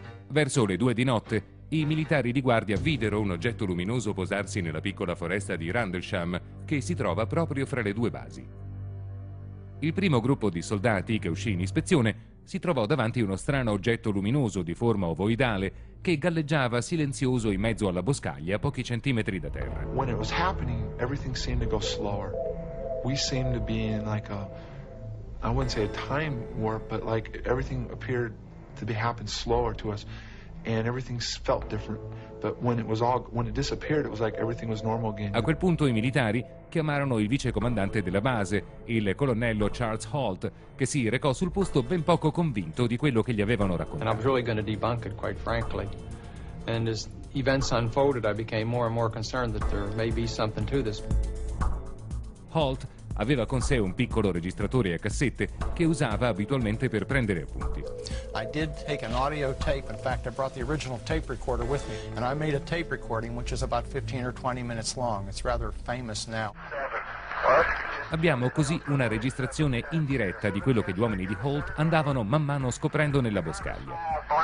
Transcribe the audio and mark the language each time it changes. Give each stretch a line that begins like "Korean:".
Italian: Verso le 2 di notte, i militari di guardia videro un oggetto luminoso posarsi nella piccola foresta di Randlesham, che si trova proprio fra le due basi. Il primo gruppo di soldati che uscì in ispezione si trovò davanti a uno strano oggetto luminoso di forma ovoidale che galleggiava silenzioso in mezzo alla boscaglia a pochi centimetri da terra.
English: When it was happening, everything seemed to go slower. We seemed to be in like a, I wouldn't say a time warp, but like everything appeared to be happening slower to us, and everything felt different. But when it disappeared, it was like everything was normal again.
Italian: A quel punto i militari chiamarono il vicecomandante della base, il colonnello Charles Holt, che si recò sul posto ben poco convinto di quello che gli avevano raccontato.
English: And I was really going to debunk it, quite frankly. And as events unfolded, I became more and more concerned that there may be something to this.
Italian: Holt aveva con sé un piccolo registratore a cassette che usava abitualmente per prendere appunti.
English: I did take an audio tape. In fact, I brought the original tape recorder with me, and I made a tape recording which is about 15 or 20 minutes long. It's rather famous now.
Italian: Abbiamo così una registrazione indiretta di quello che gli uomini di Holt andavano man mano scoprendo nella boscaglia.